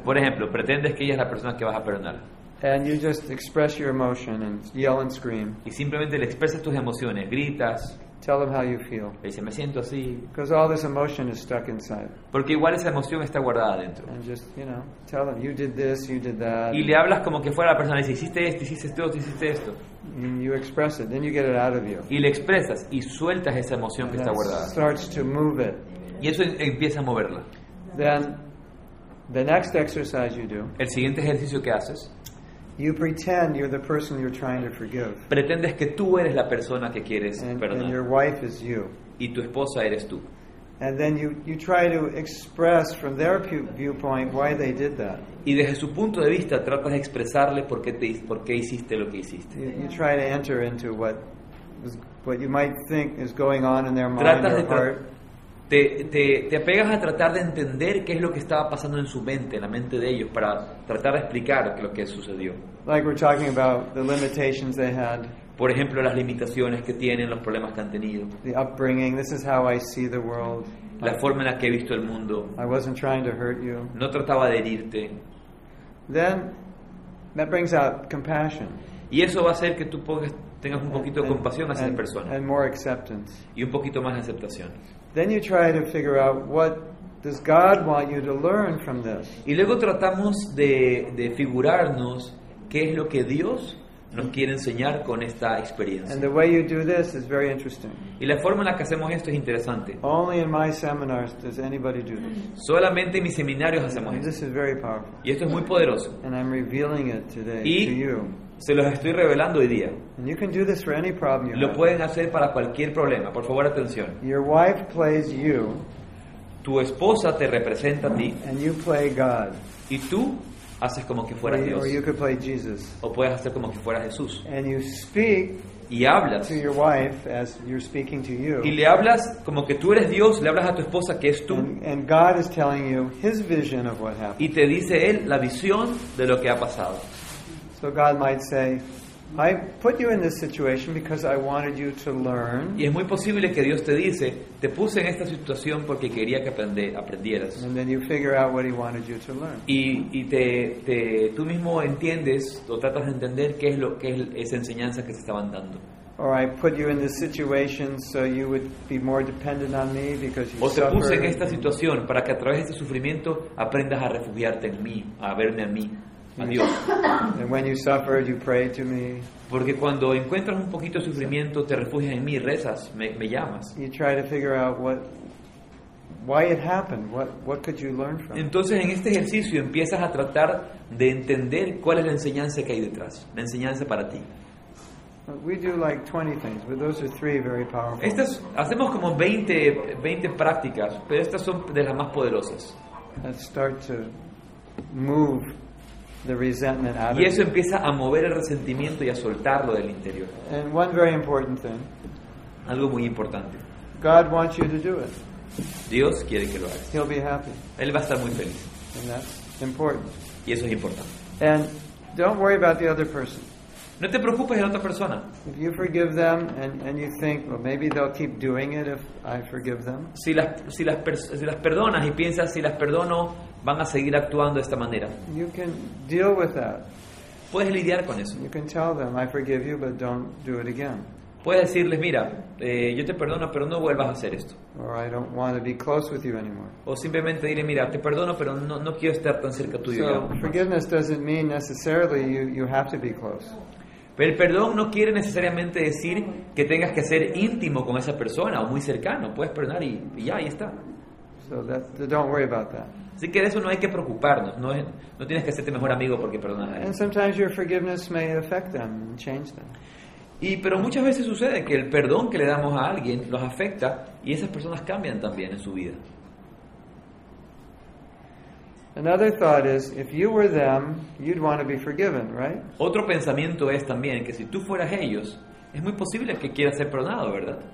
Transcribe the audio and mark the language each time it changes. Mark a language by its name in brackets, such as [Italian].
[Spanish] Por ejemplo, pretendes que ella es la persona que vas a perdonar. [English] And you just express your emotion and yell and scream. [Spanish] Y simplemente le expresas tus emociones, gritas. [English] Tell them how you feel. [Spanish] Y dice, me siento así. [English] Because all this emotion is stuck inside. [Spanish] Porque igual esa emoción está guardada dentro. [English] And just, you know, tell them, you did this, you did that. [Spanish] Y le hablas como que fuera la persona, dice, hiciste esto, hiciste esto, hiciste esto. [English] And you express it, then you get it out of you. [Spanish] Y le expresas y sueltas esa emoción [English] and [Spanish] que está guardada. [English] Starts to move it. [Spanish] Y eso empieza a moverla. [English] Then the next exercise you do. [Spanish] El siguiente ejercicio que haces. [English] You pretend you're the person you're trying to forgive. [Spanish] Pretendes que tú eres la persona que quieres perdonar. [English] And your wife is you. [Spanish] Y tu esposa eres tú. [English] And then you try to express from their viewpoint why they did that. [Spanish] Y desde su punto de vista tratas de expresarle por qué hiciste lo que hiciste. [English] You try to enter into what you might think is going on in their mind. [Spanish] Tratas [English] or heart. [Spanish] Te apegas a tratar de entender qué es lo que estaba pasando en su mente, en la mente de ellos, para tratar de explicar lo que sucedió. [English] Like we're talking about the limitations they had. [Spanish] Por ejemplo, las limitaciones que tienen, los problemas que han tenido. [English] The upbringing, this is how I see the world. [Spanish] La forma en la que he visto el mundo. [English] I wasn't trying to hurt you. [Spanish] No trataba de herirte. [English] Then, that brings out compassion. [Spanish] Y eso va a hacer que tú tengas un poquito de compasión hacia la persona. [English] And more acceptance. [Spanish] Y un poquito más de aceptación. [English] Then you try to figure out what does God want you to learn from this. [Spanish] Y luego tratamos de figurarnos qué es lo que Dios nos quiere enseñar con esta experiencia. [English] And the way you do this is very interesting. [Spanish] Y la forma en la que hacemos esto es interesante. [English] Only in my seminars does anybody do this. [Spanish] Solamente en mis seminarios hacemos esto. [English] This is very powerful. [Spanish] Y esto es muy poderoso. [English] And I'm revealing it today [Spanish] y [English] to you. [Spanish] Se los estoy revelando hoy día. [English] And you can do this for any problem you [Spanish] lo [English] have. [Spanish] Pueden hacer para cualquier problema. Por favor, atención. [English] Your wife plays you. [Spanish] Tu esposa te representa a ti. [English] And you play God. [Spanish] Y tú haces como que fuera Dios. [English] Or you could play Jesus. [Spanish] O puedes hacer como que fuera Jesús. [English] And you speak [Spanish] y hablas [English] to your wife as you're speaking to you. [Spanish] Y le hablas como que tú eres Dios, le hablas a tu esposa que es tú. [English] And God is telling you his vision of what happened. [Spanish] Y te dice él la visión de lo que ha pasado. [English] So God might say, I put you in this situation because I wanted you to learn. [Spanish] Y es muy posible que Dios te dice, te puse en esta situación porque quería que aprendieras. [English] And then you figure out what he wanted you to learn. [Spanish] Y tú mismo entiendes o tratas de entender qué es esa enseñanza que te estaban dando. [English] Or I put you in this situation so you would be more dependent on me because you suffered. [Spanish] O te puse en esta situación para que a través de este sufrimiento aprendas a refugiarte en mí, a verme a mí. [English] And when you suffer, you pray to me. [Spanish] Porque cuando encuentras un poquito de sufrimiento, te refugias en mí, rezas, me llamas. [English] You try to figure out what, why it happened. What could you learn from? [Spanish] Entonces, en este ejercicio, empiezas a tratar de entender cuál es la enseñanza que hay detrás, la enseñanza para ti. [English] We do like 20 things, but those are three very powerful. [Spanish] Hacemos como 20 prácticas, pero estas son de las más poderosas. [English] Let's start to move. The resentment out of [Spanish] y eso empieza a mover el resentimiento y a soltarlo del interior. [English] And one very important thing. [Spanish] Algo muy importante. [English] God wants you to do it. [Spanish] Dios quiere que lo hagas. [English] He'll be happy. [Spanish] Él va a estar muy feliz. [English] And that's important. [Spanish] Y eso es importante. [English] And don't worry about the other person. [Spanish] No te preocupes de la otra persona. [English] If you forgive them and you think, well, maybe they'll keep doing it if I forgive them. [Spanish] Si las perdonas y piensas si las perdono van a seguir actuando de esta manera. [English] You can deal with that. [Spanish] Puedes lidiar con eso. [English] You can tell them, I forgive you, but don't do it again. [Spanish] Puedes decirles, mira, yo te perdono, pero no vuelvas a hacer esto. [English] Or I don't want to be close with you anymore. [Spanish] O simplemente dile, mira, te perdono, pero no quiero estar tan cerca tuyo. [English] So forgiveness doesn't mean necessarily you have to be close. [Spanish] Pero el perdón no quiere necesariamente decir que tengas que ser íntimo con esa persona o muy cercano. Puedes perdonar y ya, ahí está. [English] So that, don't worry about that. [Spanish] Así que de eso no hay que preocuparnos. No tienes que hacerte mejor amigo porque perdonas a él. [English] And sometimes your forgiveness may affect them and change them. [Spanish] Pero muchas veces sucede que el perdón que le damos a alguien los afecta y esas personas cambian también en su vida. [English] Another thought is, if you were them, you'd want to be forgiven, right? [Spanish] Otro pensamiento es también que si tú fueras ellos, es muy posible que quieras ser perdonado, ¿verdad?